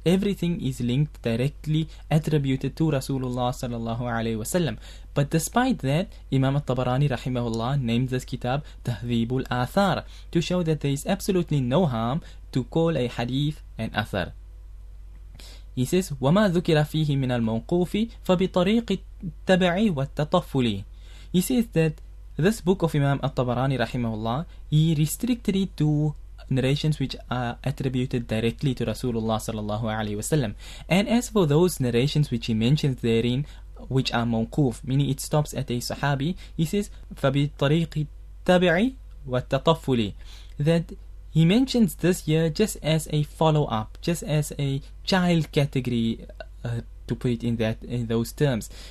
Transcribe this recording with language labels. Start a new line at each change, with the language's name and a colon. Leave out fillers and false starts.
English: Everything is linked directly attributed to Rasulullah sallallahu alayhi wasallam. But despite that, Imam al-Tabarani rahimahullah named this kitab Tahdhibul Athar to show that there is absolutely no harm to call a hadith an athar. He says,
Arabic: وَمَا ذُكِرَ فِيهِ مِنَ الْمَوْقُوفِ فَبِطَرِيقِ التَّبَعِ وَالتَّطَفُّلِ.
English: He says that this book of Imam al-Tabarani rahimahullah, he restricted it to narrations which are attributed directly to Rasulullah sallallahu alayhi wasallam. And as for those narrations which he mentions therein, which are mawquf, meaning it stops at a sahabi, he says,
Arabic: فَبِطَرِيقِ التَّبَعِ وَالتَّطَفُّلِ,
English: that he mentions this year just as a follow-up, just as a child category, to put it in those terms.